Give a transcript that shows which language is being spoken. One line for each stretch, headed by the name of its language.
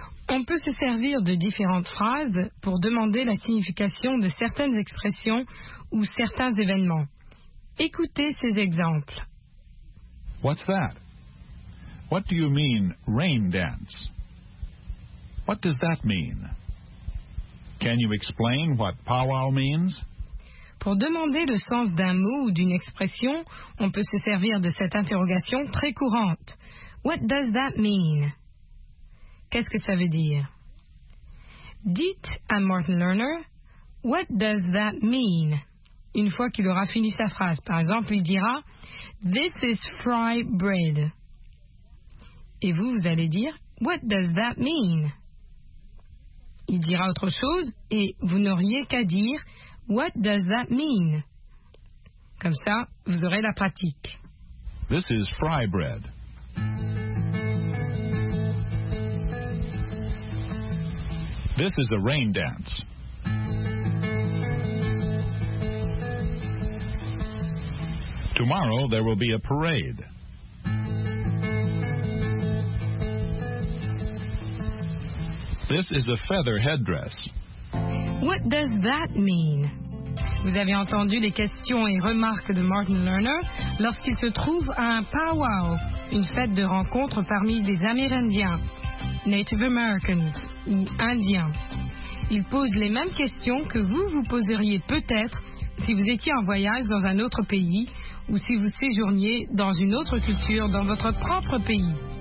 French: On peut se servir de différentes phrases pour demander la signification de certaines expressions ou certains événements. Écoutez ces exemples.
English: What's that? What do you mean, rain dance? What does that mean? Can you explain what powwow means?
French: Pour demander le sens d'un mot ou d'une expression, on peut se servir de cette interrogation très courante.
English: What does that mean?
French: Qu'est-ce que ça veut dire? Dites à
English: Martin Lerner, What does that mean?
French: Une fois qu'il aura fini sa phrase, par exemple, il dira,
English: This is fry bread.
French: Et vous, vous allez dire,
English: What does that mean?
French: Il dira autre chose et vous n'auriez qu'à dire, What does that mean? Comme ça, vous aurez la pratique.
English: This is fry bread. This is a rain dance. Tomorrow there will be a parade. This is a feather headdress. What does that mean?
French: Vous avez entendu les questions et remarques de Martin Lerner lorsqu'il se trouve à un powwow, une fête de rencontre parmi des Amérindiens, Native Americans ou Indiens. Il pose les mêmes questions que vous vous poseriez peut-être si vous étiez en voyage dans un autre pays ou si vous séjourniez dans une autre culture dans votre propre pays.